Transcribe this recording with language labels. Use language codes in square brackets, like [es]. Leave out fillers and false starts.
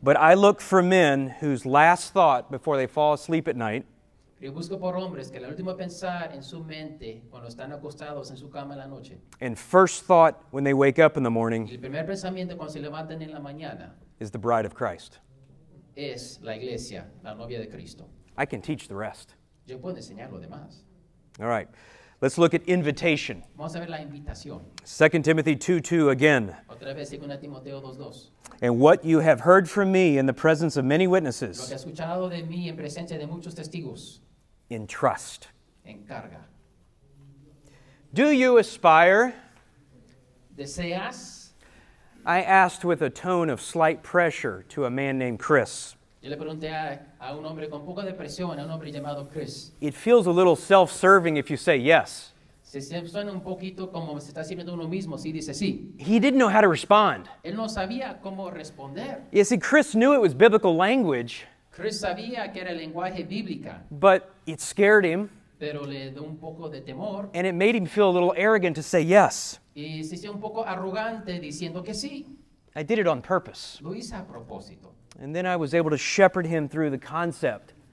[en] But I look for men whose last thought before they fall asleep at night. [es] Yo busco por hombres que la última pensar en su mente cuando están acostados en su cama en la noche. [en] And first thought when they wake up in the morning. [es] El primer pensamiento cuando se levantan en la mañana. [en] Is the bride of Christ. [es] Es la iglesia, la novia de Cristo. [en] I can teach the rest. [es] Yo puedo enseñar lo demás. [en] All right. Let's look at invitation. [es] Vamos a ver la invitación. [en] 2 Timothy 2:2 again. [es] Otra vez, 2 Timoteo 2:2. [en] And what you have heard from me in the presence of many witnesses. [es] Lo que has escuchado de mí en presencia de muchos testigos. [en] Entrust. [es] Encarga. [en] Do you aspire? [es] ¿Deseas? [en] I asked with a tone of slight pressure to a man named Chris. [es] Yo le pregunté a un hombre con poco de presión, a un hombre llamado Chris. [en] It feels a little self-serving if you say yes. [es] Se suena un poquito como se está sirviendo uno mismo si dice sí. [en] He didn't know how to respond. [es] Él no sabía cómo responder. [en] You see, Chris knew it was biblical language. [es] Chris sabía que era lenguaje bíblico. [en] But it scared him. [es] Pero le dio un poco de temor. [en] And it made him feel a little arrogant to say yes. [es] Y se sintió un poco arrogante diciendo que sí. [en] I did it on purpose. [es] Lo hice a propósito. [en] And then I was able to shepherd him through the concept.